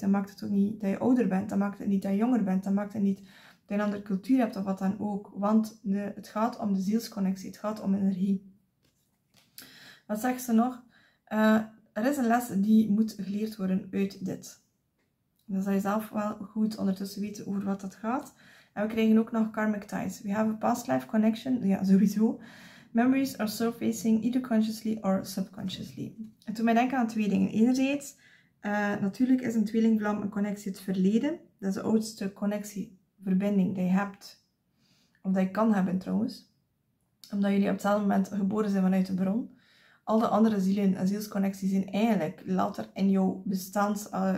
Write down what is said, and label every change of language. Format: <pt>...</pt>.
<nl>Dan maakt het ook niet dat je ouder bent. Dan maakt het niet dat je jonger bent. Dan maakt het niet dat je een andere cultuur hebt of wat dan ook. Want het gaat om de zielsconnectie. Het gaat om energie. Wat zegt ze nog? Er is een les die moet geleerd worden uit dit. Dan zal je zelf wel goed ondertussen weten over wat dat gaat. En we krijgen ook nog karmic ties.</nl> <en>We have a past life connection.</en> <nl>Ja, sowieso.</nl> <en>Memories are surfacing either consciously or subconsciously.</en> <nl>Het doet mij denken aan twee dingen. Enerzijds, natuurlijk is een tweelingvlam een connectie het verleden. Dat is de oudste connectie, verbinding die je hebt. Of dat je kan hebben trouwens. Omdat jullie op hetzelfde moment geboren zijn vanuit de bron. Al de andere zielen en zielsconnecties zijn eigenlijk later in jouw bestaans</nl>